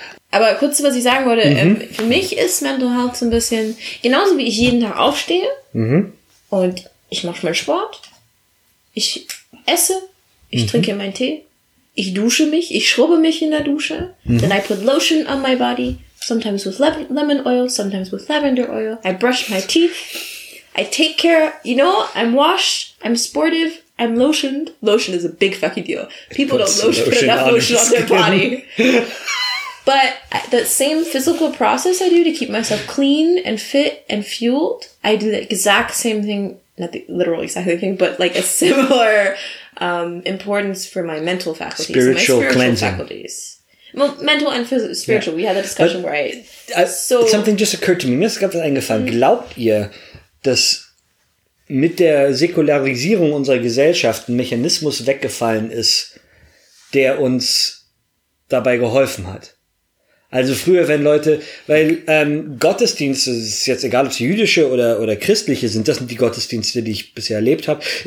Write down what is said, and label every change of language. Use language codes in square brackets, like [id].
[de] Aber kurz, was ich sagen wollte, für mich ist Mental Health so ein bisschen, genauso wie ich jeden Tag aufstehe und ich mache meinen Sport, ich esse, ich trinke meinen Tee, ich dusche mich, ich schrubbe mich in der Dusche, [en] then I put lotion on my body, sometimes with lemon oil, sometimes with lavender oil, I brush my teeth, I take care, you know, I'm washed, I'm sportive, I'm lotioned. Lotion is a big fucking deal. People don't put enough lotion on their body. But that same physical process I do to keep myself clean and fit and fueled, I do the exact same thing, not the literal exact same thing, but like a similar importance for my mental faculties. Spiritual cleansing faculties. Well, mental and spiritual. Yeah. We had that discussion Something just occurred to me. [de] Mir ist gerade was eingefallen. Glaubt ihr, dass mit der Säkularisierung unserer Gesellschaft ein Mechanismus weggefallen ist, der uns dabei geholfen hat? Also früher, wenn Leute, weil Gottesdienste, ist jetzt egal, ob es jüdische oder christliche sind, das sind die Gottesdienste, die ich bisher erlebt habe.